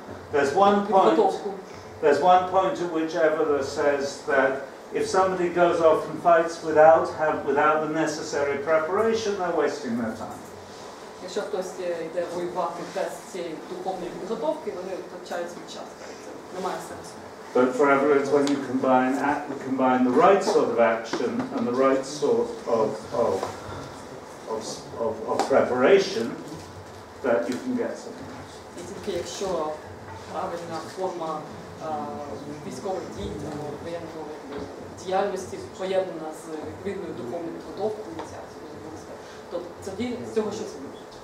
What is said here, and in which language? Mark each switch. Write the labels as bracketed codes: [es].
[en] There's one point at which Evola says that if somebody goes off and fights without have without the necessary preparation, they're wasting their time. [uk] Якщо хтось йде воювати без цієї духовної підготовки, вони втрачають свій час. Це немає сенсу. [en] But forever is when you combine combine the right sort of action and the right sort of preparation that you can get something. [uk] І тільки якщо правильна форма військової дії або воєнної діяльності поєднана з відповідною духовною підготовкою, ця то тоді з цього щось буде.